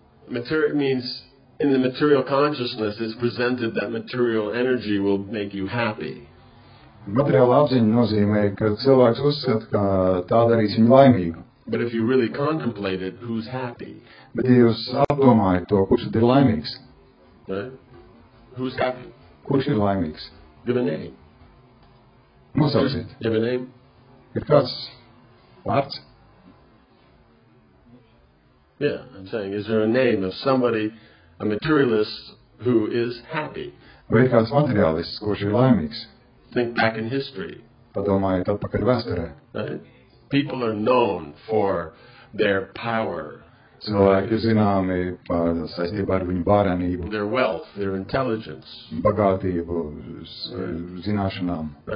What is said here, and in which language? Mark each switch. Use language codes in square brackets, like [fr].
[en] Means in the material consciousness is presented that material energy will make you happy. [lv] Materiāla apziņa nozīmē, ka cilvēks uzskata, ka tā darīs viņu laimīgu. [en] But if you really contemplate it, who's happy? [lv] Bet, ja jūs apdomājat to, kurš ir laimīgs? [en] Right? Who's happy? [lv] Kurš ir laimīgs? [en] Give a name. [lv] Nosauciet. [en] Give a name. [lv] Ir kāds vārds? [en] Yeah, I'm saying, is there a name of somebody, a materialist, who is happy? [lv] Vai ir kāds materialists, kurš ir laimīgs? [en] Think back in history. [lv] Padomājiet atpakaļ vēsturē. [en] People are known for their power. [lv] Cilvēki zināmi par saistībā ar viņu bārenību. [en] Their wealth, their intelligence. [lv] Bagātību, zināšanām.